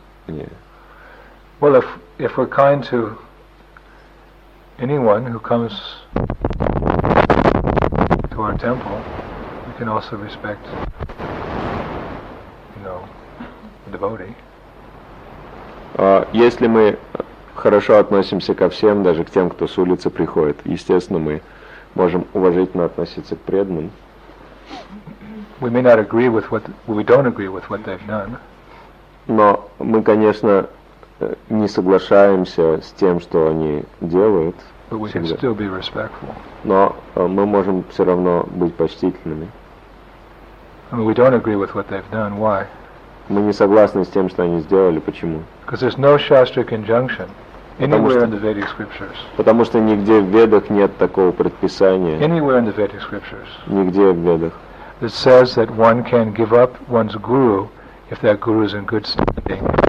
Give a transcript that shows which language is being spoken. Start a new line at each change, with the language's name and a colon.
English: Yeah. Well, if we're kind to anyone who comes to our temple, we can also respect, you know, the devotee.
Russian: Если мы хорошо относимся ко всем, даже к тем, кто с улицы приходит, естественно, мы можем уважительно относиться к преданным.
English: We may not agree with what we don't agree with what they've done.
Russian: Но мы, конечно, не соглашаемся с тем, что они делают.
English: But we can still be respectful.
Russian: Но мы можем все равно быть почтительными.
English: I mean, we don't agree with what they've done. Why?
Russian: Мы не согласны с тем, что они сделали. Почему?
English: Because there's no shastric injunction. Anywhere in the Vedic scriptures.
Russian: Потому что нигде в Ведах нет такого предписания.
English: Anywhere in the Vedic scriptures.
Russian: Нигде в Ведах.
English: It says that one can give up one's guru if that guru is in good standing.